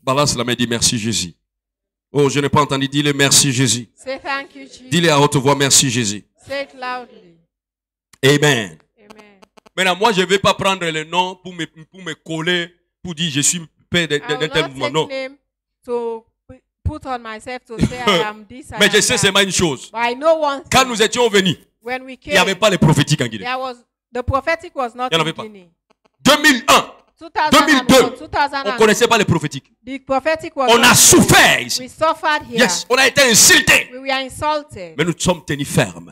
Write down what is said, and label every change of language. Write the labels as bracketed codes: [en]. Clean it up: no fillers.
[fr] Balance la main, dis merci Jésus. Oh, je n'ai pas entendu. Dis-le merci Jésus. [en] Say thank you, Jesus. [fr] Dis-le à haute voix merci Jésus. [en] Say it loudly. Amen. Amen. [fr] Maintenant, moi, je ne vais pas prendre le nom pour me coller, pour dire je suis P. m'occuper de tel mouvement. Non. [en] Put on myself to say I am this. [fr] Mais je sais seulement une chose. [en] But I know one thing. [fr] Quand nous étions venus, [en] when we came, [fr] il n'y avait pas les prophétiques en Guinée. [en] The prophetic was not in Guinée. 2001, 2002, 2001, [fr] on ne connaissait pas les prophétiques. [en] The prophetic was [fr] on a souffert ici. [en] We suffered here. [fr] Yes, on a été insultés. [en] We were insulted. [fr] Mais nous sommes tenus fermes.